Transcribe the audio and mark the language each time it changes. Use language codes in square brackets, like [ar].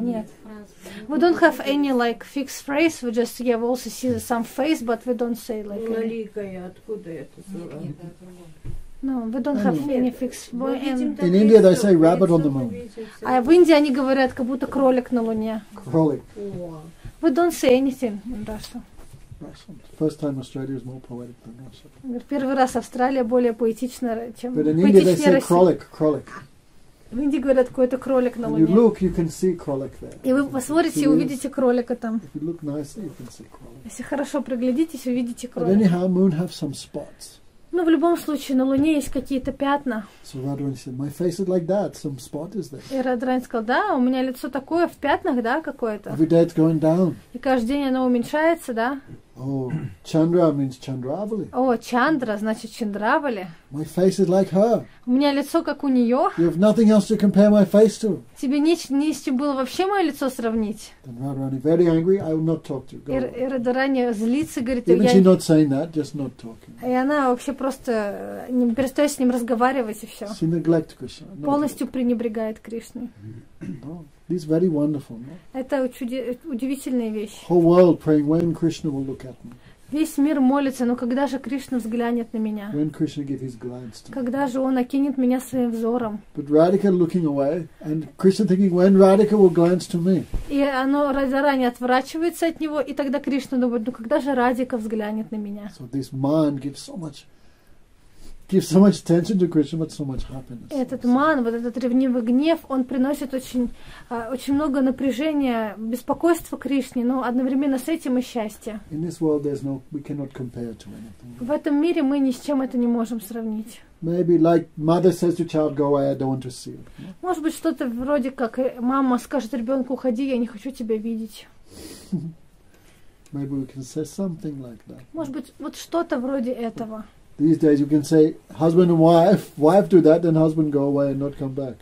[ru] Нет. [en] We don't have any like fixed phrase. We just have also see some face, but we don't say like. [ru] Луналикая, откуда это слово? [en] No, we don't have any fixed. In India they say rabbit on the moon. [ru] А в Индии они говорят, как будто кролик на луне. Кролик. [en] We don't say anything in Russia. First time Australia is more poetic than Russia. [ru] Первый раз Австралия более поэтична, чем. [en] But in India they say кролик, кролик. [ru] В Индии говорят, какой-то кролик на луне. [en] You look, you can see кролик there. [ru] И вы посмотрите и увидите кролика там. [en] If you look nicely, you can see кролик. [ru] Если хорошо приглядитесь, увидите кролика. [en] But anyhow, moon have some spots. [ru] Ну, в любом случае, на луне есть какие-то пятна. [en] So Radharani said, my face is like that, some spot is there. [ru] И Радхарани сказал, да, у меня лицо такое, в пятнах, да, какое-то. [en] Every day it's going down. [ru] И каждый день оно уменьшается, да. [en] Oh, Chandra means Chandravali. [ru] Oh, Chandra значит Chandravali. [en] My face is like her. [ru] У меня лицо как у нее. [en] You have nothing else to compare my face to. [ru] Тебе не с чем было вообще мое лицо сравнить. [en] Then Radharani very angry. I will not talk to you. [ru] И Радхарани злится, говорит, [en] even she not saying that, just not talking. [ru] И она вообще просто не перестает с ним разговаривать и все. [en] She neglects Krishna. [ru] Полностью пренебрегает Кришной. [en] This is very wonderful, no? [ru] Это удивительная вещь. [en] Whole world praying, when Krishna will look at me. [ru] Весь мир молится, но когда же Кришна взглянет на меня? [en] When Krishna give his glance to [ru] когда [en] me? [ru] Же он окинет меня своим взором? [en] But Radhika looking away, and Krishna thinking, when Radhika will glance to me? [ru] И оно заранее отворачивается от него, и тогда Кришна думает, ну когда же Радика взглянет на меня? [en] So this mind gives so much attention to Krishna, but so much happiness. [ru] Этот ман, вот этот ревнивый гнев, он приносит очень, очень много напряжения, беспокойства Кришне, но одновременно с этим и счастье. [en] In this world, there's no, we cannot compare to anything. [ru] В этом мире мы ни с чем это не можем сравнить. [en] Maybe like mother says to child, go away, I don't want to see you. [ru] Может быть что-то вроде как мама скажет ребенку, уходи, я не хочу тебя видеть. [en] Maybe we can say something like that. [ru] Может быть вот что-то вроде этого. [en] These days you can say husband and wife. Wife do that, then husband go away and not come back.